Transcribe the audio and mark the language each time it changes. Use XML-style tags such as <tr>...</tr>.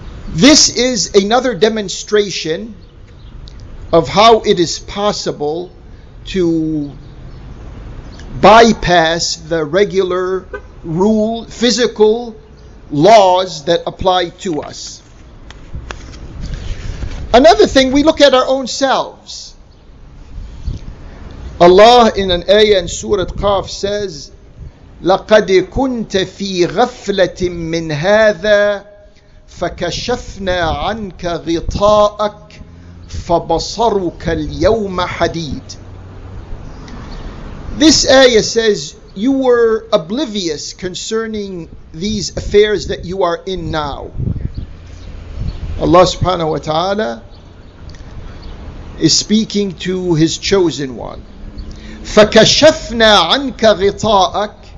<en>This is another demonstration of how it is possible to bypass the regular rule, physical laws that apply to us. Another thing, we look at our own selves. Allah in an ayah in Surah Qaf says,</en> <ar>لقد كنت في غفلة من هذا فكشفنا عنك غطاءك فبصرك اليوم حديد.</ar> <en>This ayah says, you were oblivious concerning these affairs that you are in now. Allah subhanahu wa ta'ala is speaking to His chosen one.</en> <ar>فَكَشَفْنَا عَنْكَ غِطَاءَكَ.</ar>